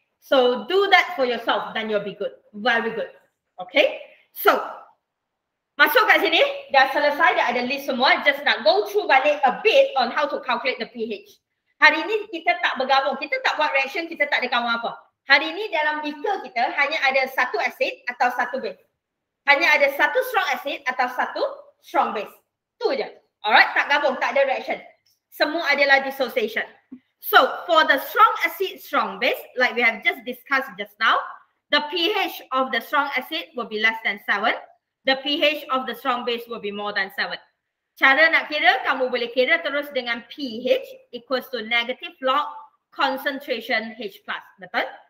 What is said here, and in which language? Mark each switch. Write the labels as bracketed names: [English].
[English] So, do that for yourself, then you'll be good. Very good. Okay? [Malay] So, masuk kat sini, dah selesai, dah ada list semua. [English] Just nak go through balik a bit on how to calculate the pH. [Malay] Hari ni kita tak bergabung, kita tak buat reaction, kita tak ada kawan apa. Hari ni dalam beaker kita hanya ada satu acid atau satu base. Hanya ada satu strong acid atau satu strong base. Tu je. Alright, tak gabung, tak ada reaction. Semua adalah dissociation. [English] So, for the strong acid, strong base, like we have just discussed just now, the pH of the strong acid will be less than 7. The pH of the strong base will be more than 7. [Malay] Cara nak kira, kamu boleh kira terus dengan [English] pH equals to negative log concentration H+. [Malay] Betul?